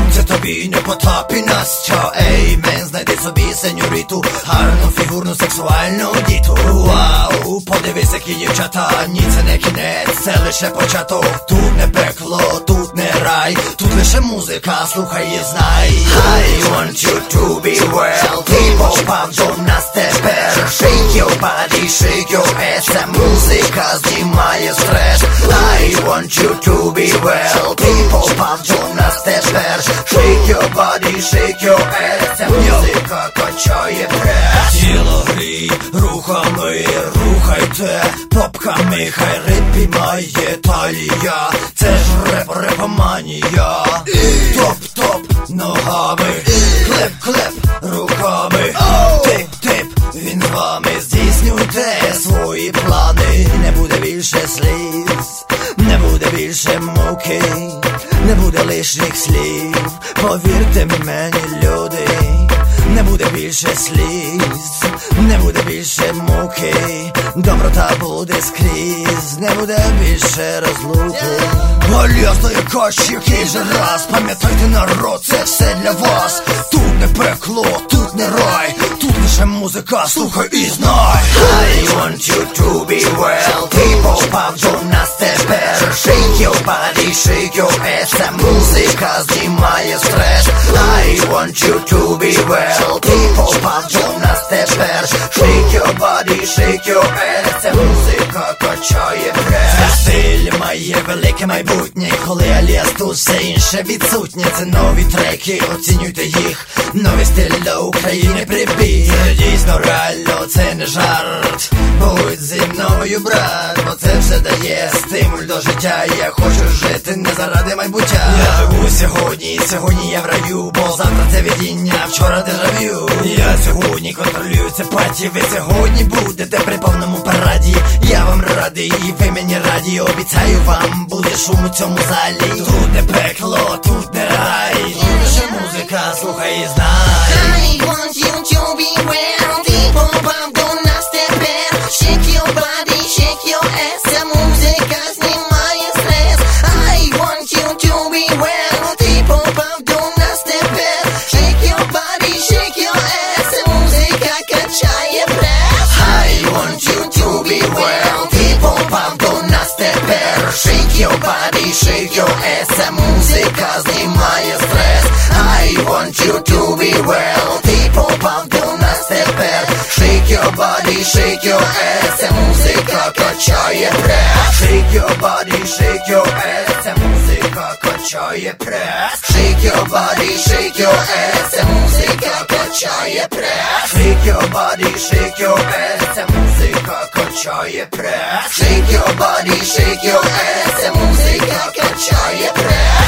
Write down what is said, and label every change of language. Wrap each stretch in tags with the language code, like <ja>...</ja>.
<uk>Це тобі не Потап і Настя. Ей, мен, знайди собі сеньоріту. Гарну, фігурну, сексуальну діту. Вау, подивись, які дівчата. Ні, це не кінець, це лише початок. Тут не пекло, тут не рай. Тут лише музика, слухай і знай.</uk> <en>I want you to be well.</en> <uk>Ти попав до нас тепер.</uk> <en>Shake your body, shake your ass.</en> <uk>Ця музика знімає стрес.</uk> <en>I want you to be well.</en> <uk>Ти попав до нас тепер.</uk> <en>Shake your body, shake your ass.</en> <uk>Ця музика качає прес. Тіло грій, рухами рухайте. Попками хай рипі має талія. Це ж реп-репоманія. Топ-топ ногами. Клеп-клеп руками. Тип-тип він з вами. Здійснюйте свої плани. Не буде більше сліз. Не буде більше муки. Не буде лишніх слів. Повірте мені, люди. Не буде більше сліз. Не буде більше муки. Доброта буде скрізь. Не буде більше розлуки. Полізно як кощі, який же раз. Пам'ятайте, народ, це все для вас. Тут не пекло, тут не рай. Тут лише музика, слухай і знай.</uk> <en>I want you to be well.</en> <uk>Ти попав до нас тепер.</uk> <en>Shake your body, shake your ass.</en> <uk>Ця музика знімає стрес.</uk> <en>I want you to be well.</en> <uk>Ти попав до нас тепер.</uk> <en>Shake your body, shake your ass.</en> <uk>Ця музика качає прес. Ця стиль має велике майбутнє. Коли Аліас тут, все інше відсутнє. Це нові треки, оцінюйте їх. Новий стиль до України прибіг. Це дійсно реально, це не жарт. Будь зі мною, брат. Бо це все дає стимул до життя. Я хочу жити не заради майбуття. Я живу сьогодні, сьогодні я в раю. Бо завтра це видіння, вчора дежав'ю. Я сьогодні контролюю це паті. Ви сьогодні будете при повному параді. Я вам радий і ви мені раді. Обіцяю вам, буде шум у цьому залі. Тут не пекло, тут не рай. Тут лише музика, слухай і знай.</uk> <en>I want you to be well.</en> <uk>Ти попав до нас тепер.</uk> <en>Shake your body, shake your ass.</en> <uk>Ця музика знімає стрес.</uk> <en>I want you to be well.</en> <uk>Ти попав до нас тепер.</uk> <en>Shake your body, shake your ass.</en> <uk>Ця музика качає прес.</uk> <en>I want you to be well.</en> <uk>Ти попав до нас тепер.</uk> <en>Shake your body, shake your ass.</en> <uk>Ця музика знімає стрес.</uk> <en>I want you to be well.</en> <uk>Ти попав до нас тепер.</uk> <en>Shake your body, shake your ass.</en> <uk>Ця музика качає прес.</uk> <en>Shake your body, shake your ass.</en> <uk>Ця музика качає прес.</uk> <en>Shake your body, shake your ass.</en> <uk>Ця музика качає прес.</uk> <en>Shake your body, shake your ass.</en> <uk>Ця музика качає прес.</uk> <en>Shake your body, shake your ass.</en> <uk>Ця музика качає прес.</uk>